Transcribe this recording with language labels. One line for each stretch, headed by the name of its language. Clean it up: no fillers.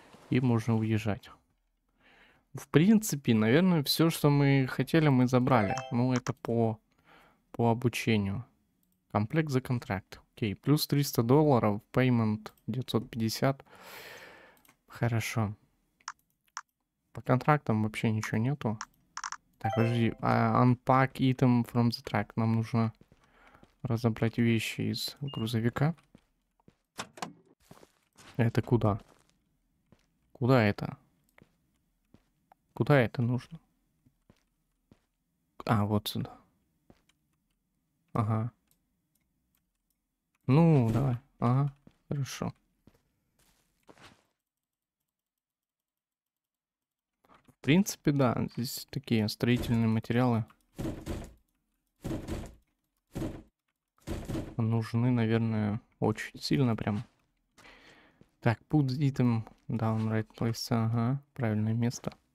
Russian: И можно уезжать. В принципе, наверное, все, что мы хотели, мы забрали. Ну, это по обучению. Комплект за контракт. Окей, плюс $300, payment $950. Хорошо. По контрактам вообще ничего нету. Так, подожди.
English: Unpack item from the track.
Russian: Нам нужно разобрать вещи из грузовика. Это куда? Куда это? Куда это нужно? А, вот сюда. Ага. Ну, давай. Ага, хорошо. В принципе, да, здесь такие строительные материалы нужны, наверное, очень сильно прям. Так,
English: put item down right place,
Russian: ага, правильное место.